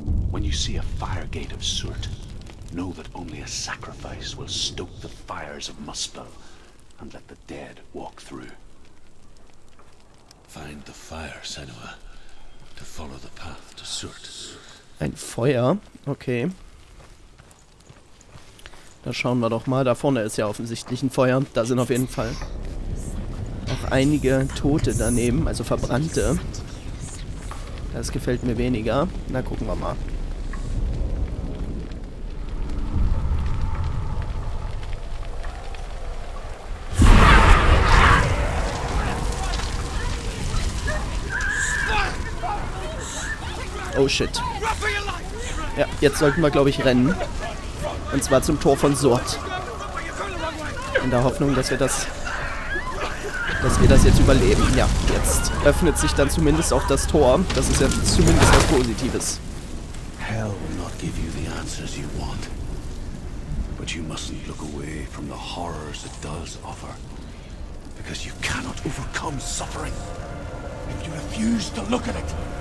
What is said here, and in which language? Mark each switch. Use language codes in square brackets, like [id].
[en] When you see a fire gate of Surt, know that only a sacrifice will stoke the fires of Muspel and let the dead walk through. Find the fire, Senua, to follow the path to Surt. [de] Ein Feuer, okay. Da schauen wir doch mal. Da vorne ist ja offensichtlich ein Feuer. Da sind auf jeden Fall auch einige Tote daneben, also Verbrannte. Das gefällt mir weniger. Na, gucken wir mal. Oh shit. Ja, jetzt sollten wir, glaube ich, rennen. Und zwar zum Tor von Surt. In der Hoffnung, dass wir das jetzt überleben. Ja, jetzt öffnet sich dann zumindest auch das Tor. Das ist ja zumindest was Positives. [en] Hell will not give you the answers you want. But you mustn't look away from the horrors it does offer. Because you cannot overcome suffering. If you refuse to look at it.